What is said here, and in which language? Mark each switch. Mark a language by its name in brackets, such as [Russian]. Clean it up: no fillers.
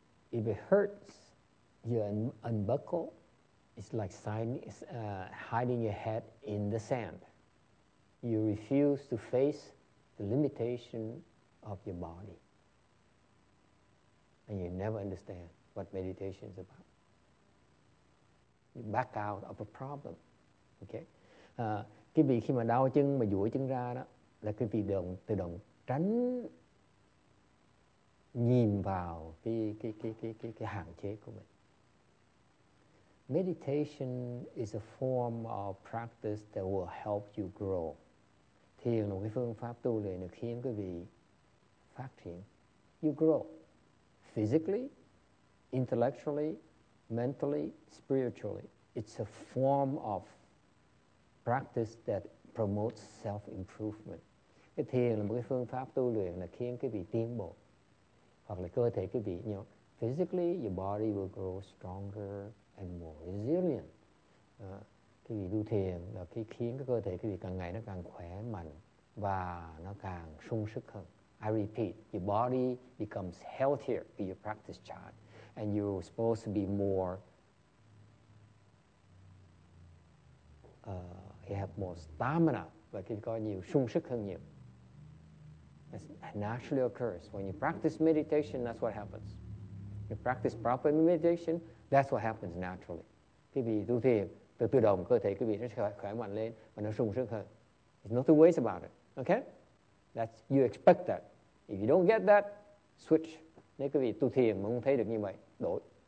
[English] If it hurts, you unbuckle, it's like hiding your head in the sand. You refuse to face the limitation of your body. And you never understand what meditation is about. You back out of a problem. Okay? [Vietnamese] Cái vị khi mà đau chân, mà duỗi chân ra đó, là cái vị tự động tránh nhìn vào cái hạn chế của mình. [English] Meditation is a form of practice that will help you grow. [Vietnamese] Thiền là một cái phương pháp tu luyện được khiến quý vị phát triển. [English] You grow physically, intellectually, mentally, spiritually. It's a form of practice that promotes self-improvement. [Vietnamese] Thiền là một cái phương pháp tu luyện là khiến quý vị tiến bộ. Hoặc là cơ thể quý vị, [English] you know, physically, your body will grow stronger and more resilient. [Vietnamese] Quý vị tu thiền là khiến cái cơ thể quý vị càng ngày nó càng khỏe mạnh và nó càng sung sức hơn. [English] I repeat, your body becomes healthier if you practice chan, and you're supposed to be more, you have more stamina, [Vietnamese] và quý vị có nhiều sung sức hơn nhiều. [English] It naturally occurs. When you practice meditation, that's what happens. You practice proper meditation, that's what happens naturally. [Vietnamese] Quý vị tu thiền, tự động cơ thể quý vị nó sẽ khỏe mạnh lên và nó sung sức hơn. [English] There's no two ways about it. Okay? You expect that. If you don't get that, switch. [Vietnamese] Nếu quý vị tu thiền mà không thấy được như vậy, đổi.